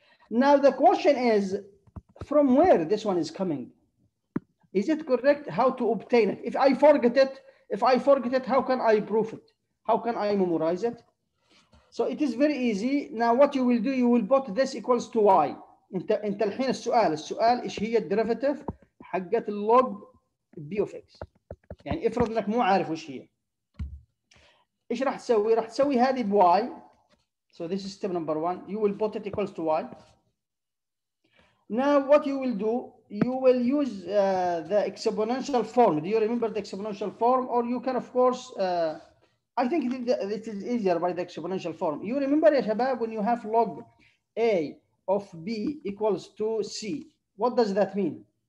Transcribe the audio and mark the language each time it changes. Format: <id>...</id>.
<en>Now the question is, from where this one is coming? Is it correct how to obtain it? If I forget it, how can I prove it? How can I memorize it? So it is very easy. Now what you will do, you will put this equals to y.</en> <ar>انت الحين السؤال, السؤال ايش هي الدريفيتيف حقت اللوج بي اوف اكس. يعني افرض انك مو عارف وش هي. ايش راح تسوي؟ راح تسوي هذه بواي.</ar> <en>So this is step number one. You will put it equals to y. Now what you will do, you will use the exponential form. Do you remember the exponential form? Or you can of course, I think this is easier by the exponential form. You remember, ya Shabab, when you have log A of B equals to C, what does that mean?</en>